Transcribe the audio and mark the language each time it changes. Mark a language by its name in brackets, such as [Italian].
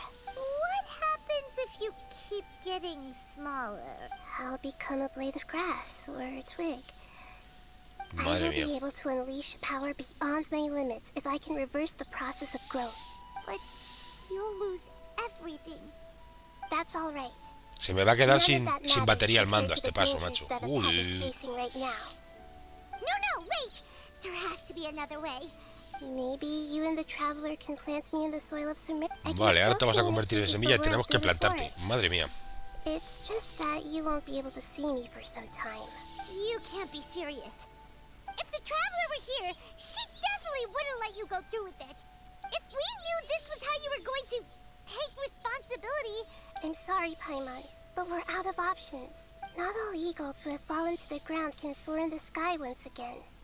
[English] What happens if you keep getting smaller? I'll become a blade of grass or a twig. Madre I will mia. Be able to unleash power beyond my limits if I can reverse the process of growth. But you'll lose everything. That's all right. [Spanish] Se me va a quedar sin batería al mando a este paso, macho. [English] Uy. Right no, no, wait. There has to be another way. Maybe you and the traveler can plant me in the soil of Sumer. [Spanish] Vale, ahora te vas a convertir en semilla y tenemos que plantarte. Madre mía. [English] It's just that you won't be able to see me for some time. You can't be serious. If the traveler were here, she definitely wouldn't let you go through with it. If we knew this was how you were going to take responsibility... I'm sorry, Paimon, but we're out of options. Not all eagles who have fallen to the ground can soar in the sky once again.